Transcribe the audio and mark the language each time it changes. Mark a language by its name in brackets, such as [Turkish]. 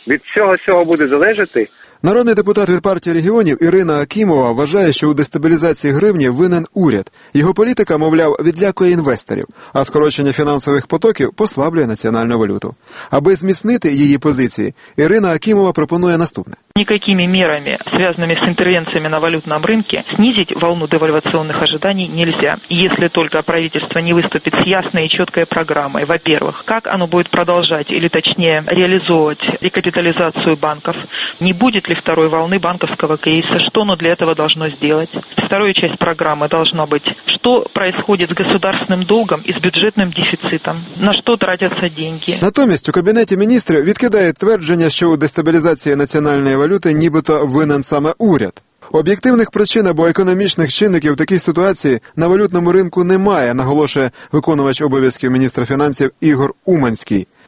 [Ukrainian] Від цього всього буде залежати. Народний депутат від партії регіонів Ірина Акімова вважає, що у дестабілізації гривні винен уряд. Його політика, мовляв, відлякує інвесторів, а скорочення фінансових потоків послаблює національну валюту. Аби зміцнити її позиції, Ірина Акімова пропонує наступне. [Russian] Никакими мерами, связанными с интервенциями на валютном рынке, снизить волну девальвационных ожиданий нельзя. Если только правительство не выступит с ясной и четкой программой, во-первых, как оно будет продолжать, или точнее реализовывать рекапитализацию банков, не будет ли второй волны банковского кризиса, что оно для этого должно сделать. Вторая часть программы должна быть, что происходит с государственным долгом и с бюджетным дефицитом, на что тратятся деньги. [Ukrainian] Натомість у кабінеті міністрів відкидає твердження, що у дестабілізації національної валюти нібито винен саме уряд. Об'єктивних причин або економічних чинників такій ситуації на валютному ринку немає, наголошує виконувач обов'язків міністра фінансів Ігор Уманський.